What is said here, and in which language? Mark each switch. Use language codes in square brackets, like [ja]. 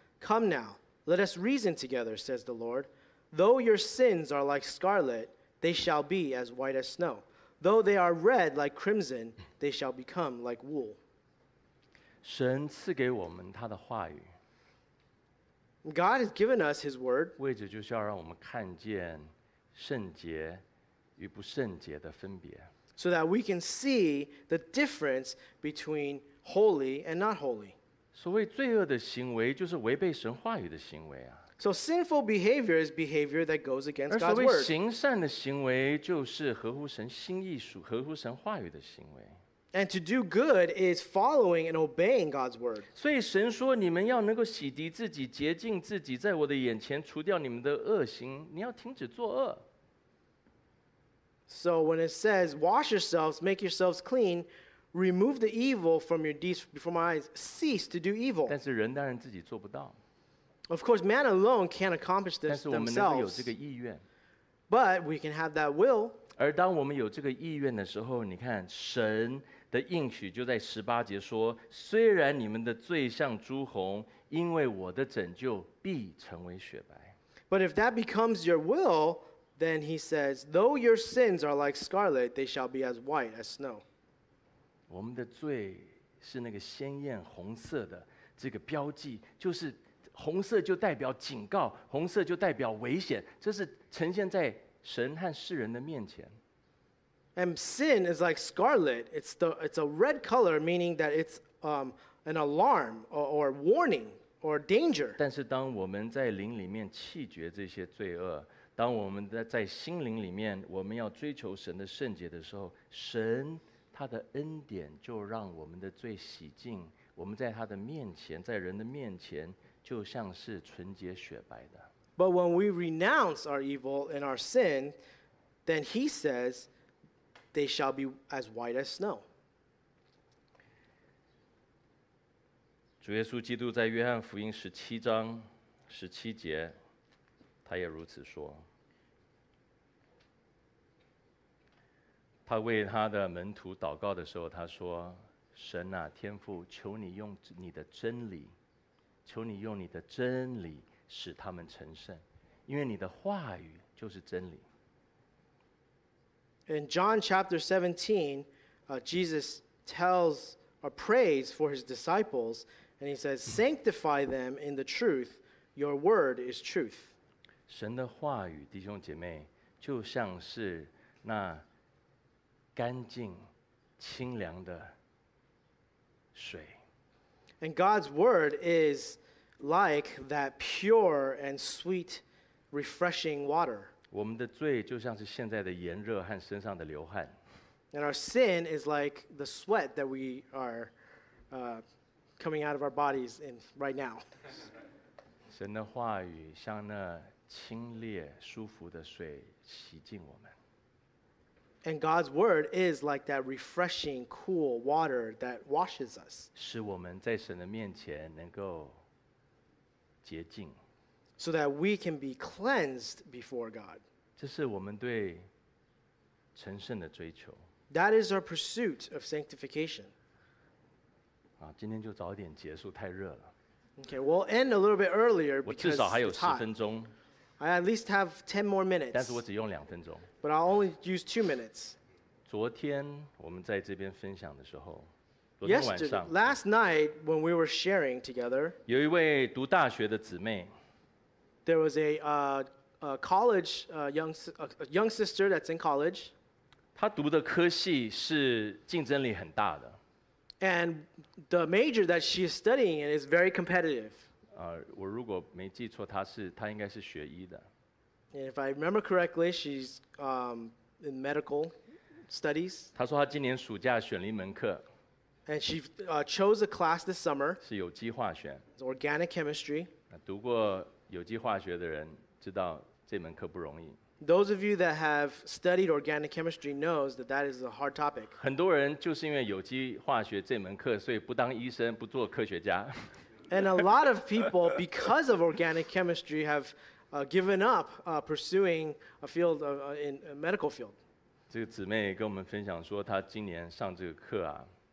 [en] Come now, let us reason together, says the Lord. Though your sins are like scarlet, they shall be as white as snow. Though they are red like crimson, they shall become like wool. [zh] 神赐给我们他的话语。 [en] God has given us His word. [zh] 为着就是要让我们看见圣洁与不圣洁的分别。 [en] So that we can see the difference between holy and not holy. [zh] 所谓罪恶的行为就是违背神话语的行为啊。 [en] So sinful behavior is behavior that goes against God's word. [zh] 而所谓行善的行为就是合乎神心意属合乎神话语的行为。 [en] And to do good is following and obeying God's word. [zh] 所以神说你们要能够洗涤自己，洁净自己，在我的眼前除掉你们的恶行，你要停止作恶。 [en] So when it says, wash yourselves, make yourselves clean, remove the evil from your deeds before my eyes, cease to do evil. [zh] 但是人当然自己做不到。 [en] Of course, man alone can't accomplish this themselves. [zh] 但是我们能够有这个意愿。 [en] But we can have that will. [zh] 而当我们有这个意愿的时候，你看神的应许就在十八节说：“虽然你们的罪像朱红，因为我的拯救必成为雪白。” [en] But if that becomes your will, then he says, "Though your sins are like scarlet, they shall be as white as snow." [zh] 我们的罪是那个鲜艳红色的这个标记，就是红色就代表警告，红色就代表危险，这是呈现在神和世人的面前。 [en] And sin is like scarlet. It's a red color, meaning that it's an alarm or warning or danger. [zh] 但是当我们在灵里面弃绝这些罪恶，当我们在心灵里面我们要追求神的圣洁的时候，神他的恩典就让我们的罪洗净，我们在他的面前，在人的面前就像是纯洁雪白的。 [en] But when we renounce our evil and our sin, then he says,They shall be as white as snow. [zh] 主耶稣基督在约翰福音十七章十七节，他也如此说。他为他的门徒祷告的时候，他说：“神啊，天父，求你用你的真理，求你用你的真理使他们成圣，因为你的话语就是真理。” [en] In John chapter 17, Jesus tells or prays for his disciples, and he says, Sanctify them in the truth. Your word is truth. [zh] 神的话语，弟兄姐妹，就像是那干净、清凉的水。 [en] And God's word is like that pure and sweet, refreshing water. [zh] 我们的罪就像是现在的炎热和身上的流汗。 [en] And our sin is like the sweat that we are coming out of our bodies in right now. [zh] 神的话语像那清冽舒服的水洗净我们。 [en] And God's word is like that refreshing cool water that washes us. [zh] 使我们在神的面前能够洁净。 [en] so that we can be cleansed before God. [zh] 这是我们对成圣的追求。 [en] That is our pursuit of sanctification. [zh] 啊，今天就早点结束，太热了。 [en] Okay, we'll end a little bit earlier because it's hot. [zh] 我至少还有十分钟。 [en] I at least have 10 more minutes. [zh] 但是我只用两分钟。 [en] But I'll only use 2 minutes. [zh] 昨天我们在这边分享的时候。 [en] Yesterday, last night, when we were sharing together, [zh] 有一位读大学的姊妹, [en] there was a college young sister that's in college. [zh] 她读的科系是竞争力很大的。 [en] And the major that she is studying is very competitive. [zh] 我如果没记错，她应该是学医的。 [en] And if I remember correctly, she's in medical studies. [zh] 她说她今年暑假选了一门课。 [en] And she chose a class this summer. [zh] 是有机化学。 [en] It's organic chemistry. [zh] 读过有机化学的人知道这门课不容易。 [en] Those of you that have studied organic chemistry knows that that is a hard topic. [zh] 很多人就是因为有机化学这门课，所以不当医生，不做科学家。 [en] And a lot of people, because of organic chemistry, have given up pursuing a field of, in a medical field. [zh] 这个姊妹跟我们分享说，她今年上这个课啊。